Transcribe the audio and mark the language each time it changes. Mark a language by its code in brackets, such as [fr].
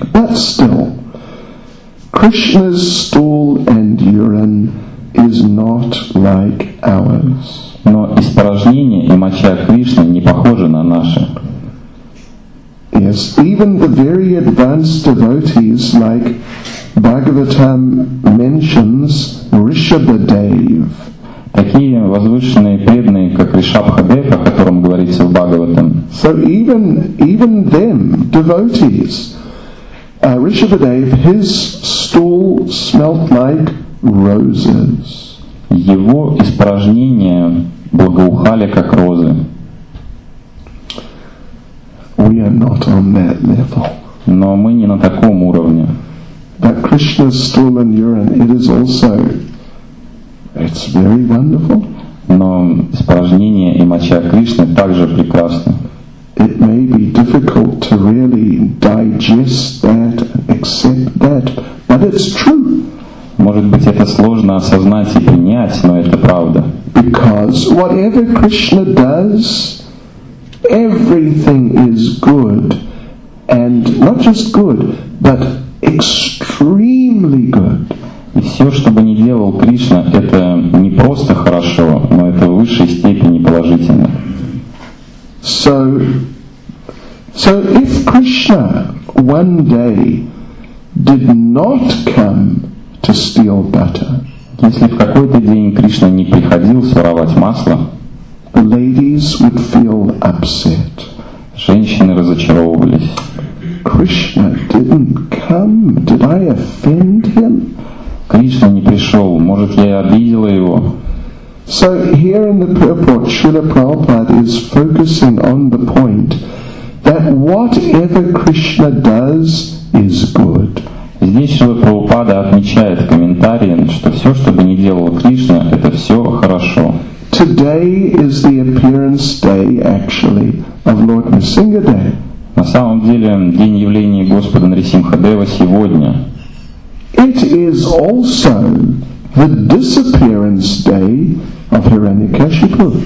[en] But still, Krishna's stool and urine is not like ours. [ru] Но испражнение и моча Кришны не похожи на наши. [en] Yes, even the very advanced devotees, like Bhagavatam mentions Rishabhadev. [ru] Такие возвышенные преданные, как Ришабхадев, о котором говорится в Бхагаватам. [en] So even them, devotees. Rishabhadev, his stool smelt like roses. [ru] Его испражнения благоухали как розы. [en] We are not on that level. [ru] Но мы не на таком уровне. [en] But Krishna's stool and urine, it is also, it's very wonderful. [ru] Но испражнения и моча Кришны также прекрасны. [en] It may be difficult to really digest that, accept that, but it's true. [ru] Может быть, это сложно осознать и принять, но это правда. [en] Because whatever Krishna does, everything is good. And not just good, but extremely good. [ru] И все, что бы ни делал Кришна, это не просто хорошо, но это в высшей степени положительно. [en] So if Krishna one day did not come to steal butter, [ru] если в какой-то день Кришна не приходил своровать масло, [en] the ladies would feel upset. [ru] Женщины разочаровывались. [en] Krishna didn't come. Did I offend him? [ru] Кришна не пришел. Может, я обидела его? [en] So here in the purport, Srila Prabhupada is focusing on the point that whatever Krishna does is good. [ru] Здесь Шрила Прабхупада отмечает в комментарии, что все, что бы ни делал Кришна, это все хорошо. [en] Today is the appearance day, actually, of Lord Narsingadev. [ru] На самом деле, день явления Господа Нарисимхадева сегодня. [en] It is also the disappearance day of Hiranyakashipu.